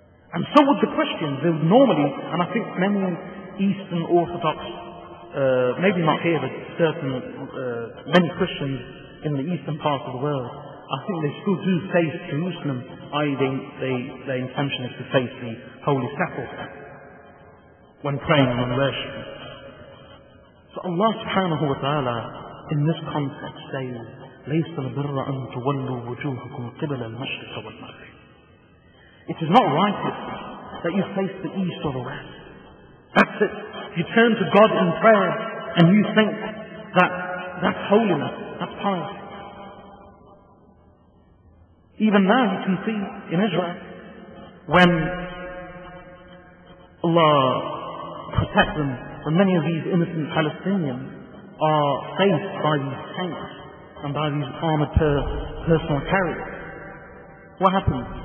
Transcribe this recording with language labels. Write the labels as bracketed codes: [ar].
[en] And so would the Christians. They would normally, and I think many Eastern Orthodox, maybe not here, but certain many Christians in the eastern part of the world, I think they still do face Jerusalem, i.e. their intention is to face the Holy Sepulchre when praying and worshiping. [ar] فالله سبحانه وتعالى [en] in this context saying [ar] ليس البر أن تولوا وجوهكم قبل المشرق والمغرب. [en] It is not righteous that you face the east or the west. That's it. You turn to God in prayer and you think that that's holiness, that's pious. Even now you can see in Israel when Allah protects them from many of these innocent Palestinians are faced by these tanks and by these armored personal carriers. What happens?